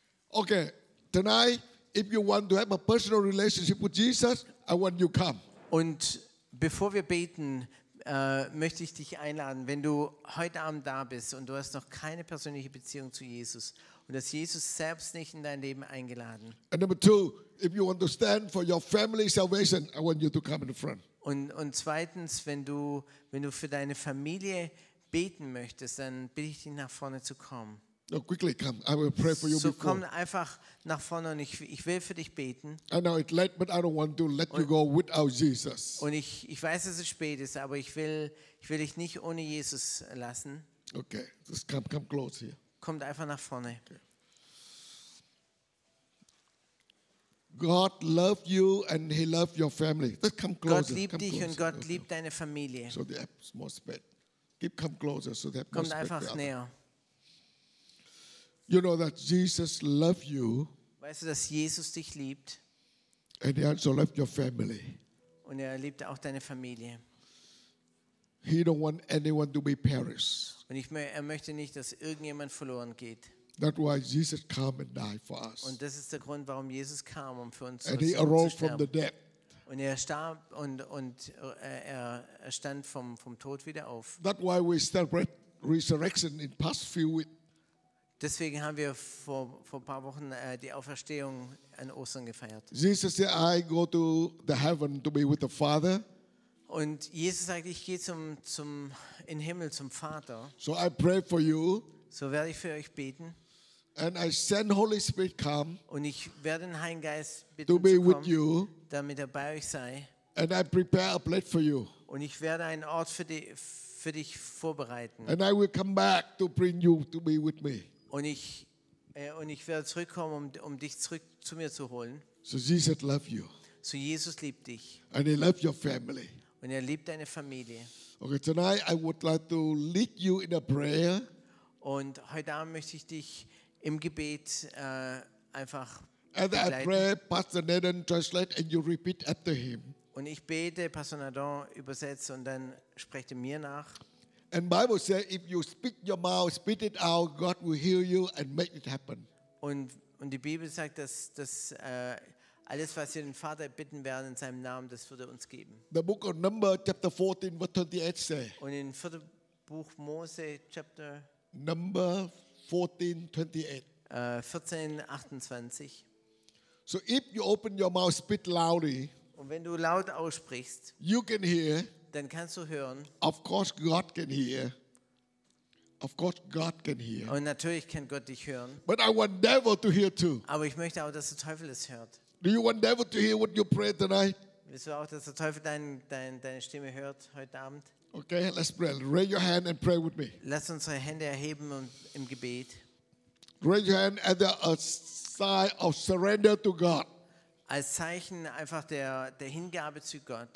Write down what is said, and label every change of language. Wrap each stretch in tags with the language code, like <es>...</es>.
<en>Okay, tonight, if you want to have a personal relationship with Jesus, I want you come.</en> <de>Und bevor wir beten, möchte ich dich einladen, wenn du heute Abend da bist und du hast noch keine persönliche Beziehung zu Jesus und hast Jesus selbst nicht in dein Leben eingeladen.</de> <en>And number two, if you want to stand for your family salvation, I want you to come in the front.</en> <de>Und zweitens, wenn du für deine Familie beten möchtest, dann bitte ich dich nach vorne zu kommen.</de> <en>No, quickly come. I will pray for you so before.</en> <de>So komm einfach nach vorne und ich will für dich beten.</de> <en>I know it's late, but I don't want to let you go without Jesus.</en> <de>Und ich weiß, dass es spät ist, aber ich will dich nicht ohne Jesus lassen.</de> <en>Okay, just come close here.</en> <de>Kommt einfach nach vorne.</de> <en>God loved you and he loved your family. Just come closer.</en> <de>Gott liebt dich und Gott liebt deine Familie.</de> <en>So they have more space. Come closer so they have more space.</en> <de>Einfach näher.</de> <en>You know that Jesus loved you.</en> <de>Weißt du, dass Jesus dich liebt?</de> <en>And he also loved your family.</en> <de>Und er liebt auch deine Familie.</de> <en>He don't want anyone to be perished.</en> <de>Und er möchte nicht, dass irgendjemand verloren geht.</de> <en>That's why Jesus came and died for us.</en> <de>Und das ist der Grund, warum Jesus kam, um für uns zu sterben.</de> <en>And he arose from the dead.</en> <de>Und er starb und er stand vom Tod wieder auf.</de> <en>That's why we celebrate resurrection in past few weeks.</en> <de>Deswegen haben wir vor ein paar Wochen die Auferstehung an Ostern gefeiert.</de> <en>Jesus said, I go to the heaven to be with the Father.</en> <de>Und Jesus sagt, ich gehe zum in Himmel zum Vater.</de> <en>So I pray for you.</en> <de>So werde ich für euch beten.</de> <en>And I send Holy Spirit come.</en> <de>Und ich werde den Heiligen Geist bitten,</de> <en>to be</en> <de>zu kommen,</de> <en>with you,</en> <de>damit er bei euch sei.</de> <en>And I prepare a place for you.</en> <de>Und ich werde einen Ort für dich vorbereiten.</de> <en>And I will come back to bring you to be with me.</en> <de>Und ich werde zurückkommen, um dich zurück zu mir zu holen.</de> <en>So Jesus loves you.</en> <de>So Jesus liebt dich.</de> <en>And he loves your family.</en> <de>Und er liebt deine Familie.</de> <en>Okay, tonight I would like to lead you in a prayer.</en> <de>Und heute Abend möchte ich dich im Gebet einfach begleiten.</de> <en>And I pray, Pastor Nathan translate, and you repeat after him.</en> <de>Und ich bete, Pastor Nathan übersetzt und dann sprecht ihr mir nach.</de> <en>And Bible says, if you speak your mouth, spit it out, God will heal you and make it happen.</en> <de>Und die Bibel sagt, dass alles, was wir den Vater bitten werden in seinem Namen, das wird er uns geben.</de> <en>The book of Numbers, chapter 14, verse 28 say.</en> <de>Und in 4. Buch Mose, chapter</de> <en>Number 14:28. So if you open your mouth, speak loudly.</en> <de>Und wenn du laut aussprichst,</de> <en>you can hear.</en> <de>Dann kannst du hören.</de> <en>Of course, God can hear. Of course, God can hear.</en> <de>Und natürlich kann Gott dich hören.</de> <en>But I want devil to hear too.</en> <de>Aber ich möchte auch, dass der Teufel es hört.</de> <en>Do you want devil to hear what you pray tonight?</en> <de>Willst du auch, dass der Teufel deine Stimme hört heute Abend?</de> <en>Okay, let's pray. Raise your hand and pray with me.</en> <de>Lass uns unsere Hände erheben und im Gebet.</de> <en>Raise your hand as a sign of surrender to God.</en> <de>Als Zeichen einfach der Hingabe zu Gott.</de>